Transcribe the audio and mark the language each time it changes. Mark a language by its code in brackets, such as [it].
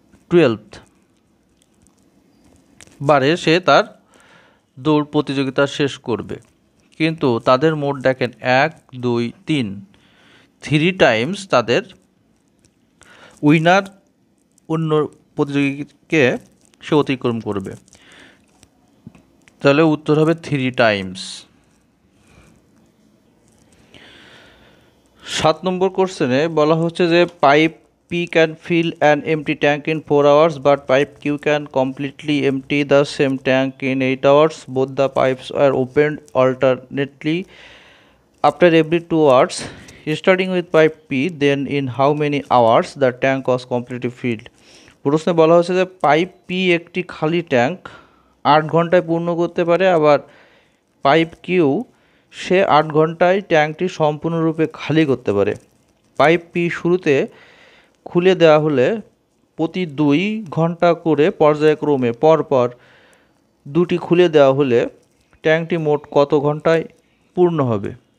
[bn] 12th বারে সে তার দৌড় প্রতিযোগিতা শেষ করবে কিন্তু তাদের মোট দেখেন 1, 2, 3 টাইমস তাদের উইনার অন্য প্রতিযোগীকে সে অতিক্রম করবে তাহলে উত্তর হবে 3 টাইমস 7 নম্বর কোশ্চেনে বলা হচ্ছে যে pipe [en] P can fill an empty tank in 4 hours, but pipe Q can completely empty the same tank in 8 hours. Both the pipes are opened alternately after every 2 hours. Starting with pipe P, then in how many hours the tank was completely filled? [bn] প্রশ্নে বলা হয়েছে যে pipe P একটি খালি tank 8 ঘন্টায় পূর্ণ করতে পারে আবার পাইপ কিউ সে 8 ঘন্টায় ট্যাঙ্কটি সম্পূর্ণরূপে খালি করতে পারে। পাইপটি শুরুতে খুলে দেওয়া হলে প্রতি 2 ঘন্টা করে পর্যায়ক্রমে পরপর দুটি খুলে দেওয়া হলে ট্যাঙ্কটি মোট কত ঘন্টায় পূর্ণ হবে?